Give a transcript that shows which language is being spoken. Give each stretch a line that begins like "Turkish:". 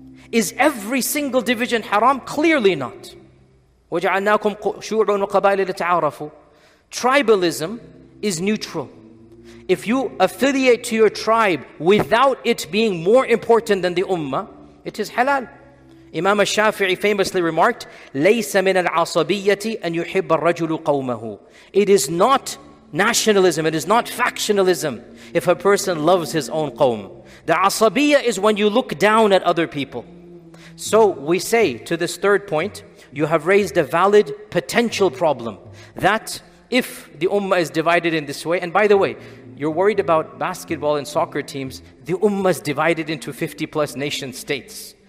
English: Is every single division haram? Clearly not.
Arabic: وَجَعَلْنَاكُمْ شُعُرًا وَقَبَائِلَ لِتَعَارَفُوا.
English: Tribalism is neutral. If you affiliate to your tribe without it being more important than the ummah, it is halal. Imam al-Shafi'i famously remarked,
Arabic: لَيْسَ مِنَ الْعَصَبِيَّةِ أَنْ يُحِبَّ الرَّجُلُ قَوْمَهُ.
English: It is not nationalism, it is not factionalism if a person loves his own qawm. The asabiyya is when you look down at other people. So we say to this third point, you have raised a valid potential problem that if the ummah is divided in this way, and by the way, you're worried about basketball and soccer teams, the ummah is divided into 50 plus nation states.